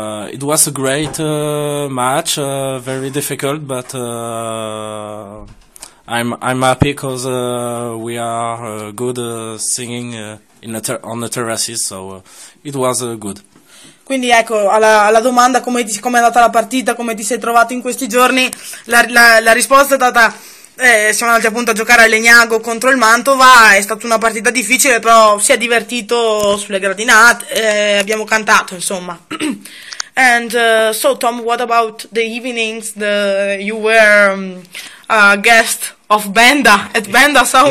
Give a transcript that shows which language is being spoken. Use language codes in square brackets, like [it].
[en] It was a great match, very difficult, but I'm happy because we are good singing on the terraces, so it was good. [it] Quindi ecco, alla domanda come è andata la partita, come ti sei trovato in questi giorni, la risposta è data... siamo andati appunto a giocare a Legnago contro il Mantova, è stata una partita difficile, però si è divertito sulle gradinate, abbiamo cantato, insomma. [en] And so Tom, what about the evenings you were a guest of Benda at Benda Sound?